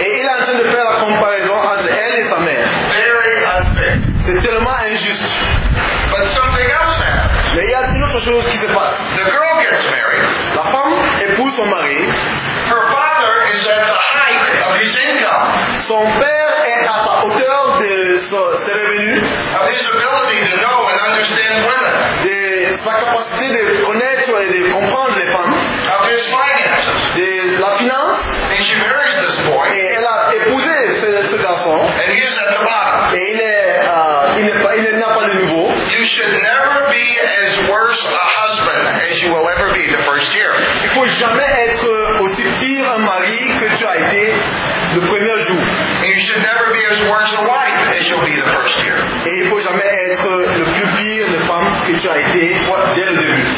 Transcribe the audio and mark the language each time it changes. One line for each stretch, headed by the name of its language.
French: Et il est en train de faire la comparaison entre elle et sa mère.
English: Very unfair.
French: C'est tellement injuste.
English: But something else happens.
French: Mais il y a une autre chose qui se passe.
English: The girl gets married.
French: La femme épouse son mari.
English: Her father is at the height of his income.
French: Son père est à la hauteur de ses revenus.
English: Of his ability to know and understand women.
French: De sa capacité de connaître et de comprendre les femmes.
English: Of his finances.
French: De la finance.
English: And she marries this boy.
French: Et elle a épousé ce garçon.
English: And he is at the bottom.
French: Et il n'a pas de niveau.
English: You should never be as worse a husband as you will ever be the first year.
French: Il faut jamais être aussi pire un mari que tu as été le premier jour.
English: And you should never be as worse a wife as you'll be the first year.
French: Et il faut jamais être le plus pire une femme que tu as été dès le début.